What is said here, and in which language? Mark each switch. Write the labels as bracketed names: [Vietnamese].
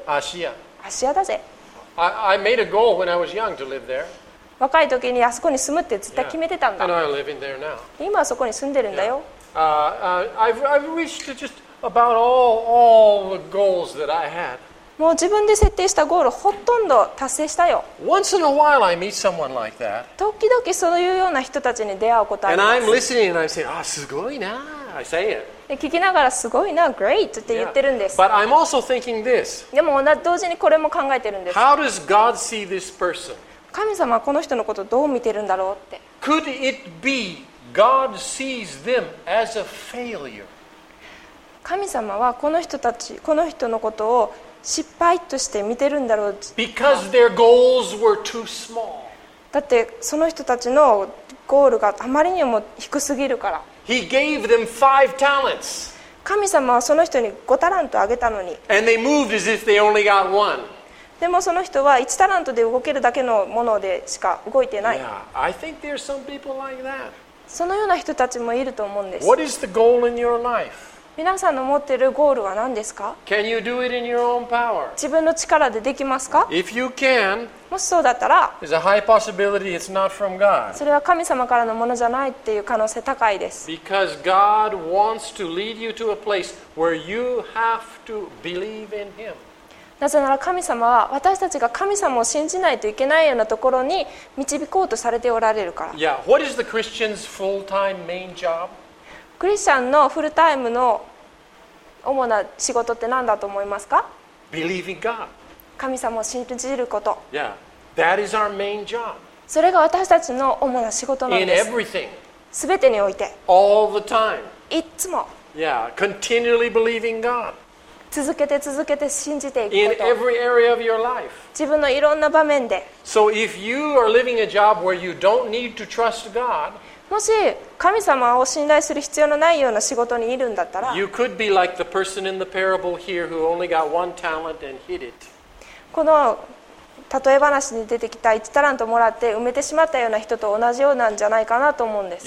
[Japanese] アシア。アシアだぜ。 [English] I made a goal when I was young to live there. [Japanese] 若い時にあそこに住むって絶対決めてたんだ。 [English] Yeah. And I'm living there now. [Japanese] 今はそこに住んでるんだよ。 [English] I've reached just about all the goals that I had. [Japanese] もう自分で設定したゴールほとんど達成したよ。 [English] Once in a while I meet someone like that. [Japanese] 時々そういうような人たちに出会うことあります。 [English] And I'm listening and I say, ah, [Japanese] すごいな。 [English] I say it. [Japanese] 聞きながらすごいな、great って言ってるんです。 [English] Yeah. But I'm also thinking this. [Japanese] でも同時にこれも考えてるんです。 [English] How does God see this person? [Japanese] 神様はこの人のことをどう見てるんだろうって。 [English] Could it be God sees them as a failure? [Japanese] 神様はこの人たち、この人のことを失敗として見てるんだろう。 [English] Because their goals were too small. [Japanese] だってその人たちのゴールがあまりにも低すぎるから。 [English] He gave them five talents. [Japanese] 神様はその人に5タラントあげたのに。 [English] And they moved as if they only got one. [Japanese] でもその人は1タラントで動けるだけのものでしか動いてない。 [English] Yeah, I think there are some people like that. [Japanese] そのような人たちもいると思うんです。 [English] What is the goal in your life? [Japanese] 皆さんの持っているゴールは何ですか？ [English] Can you do it in your own power? [Japanese] 自分の力でできますか？ [English] If you can, [Japanese] もしそうだったら、 [English] there's a high possibility it's not from God. [Japanese] それは神様からのものじゃないっていう可能性高いです。 [English] Because God wants to lead you to a place where you have to believe in Him. [Japanese] なぜなら神様は私たちが神様を信じないといけないようなところに導こうとされておられるから。 [English] Yeah. What is the Christian's full-time main job? [Japanese] クリスチャンのフルタイムの主な仕事って何だと思いますか？ [English] Believing God. [Japanese] 神様を信じること。 [English] Yeah. That is our main job. [Japanese] それが私たちの主な仕事なんです。 [English] In everything. [Japanese] すべてにおいて。 [English] All the time. [Japanese] いつも。 [English] Yeah. Continually believing God. [Japanese] 続けて続けて信じていくこと。 [English] In every area of your life. [Japanese] 自分のいろんな場面で。 [English] So if you are living a job where you don't need to trust God, [Japanese] もし神様を信頼する必要のないような仕事にいるんだったら、 [English] You could be like the person in the parable here who only got one talent and hid it. [Japanese] この例え話に出てきた1タラントもらって埋めてしまったような人と同じようなんじゃないかなと思うんです。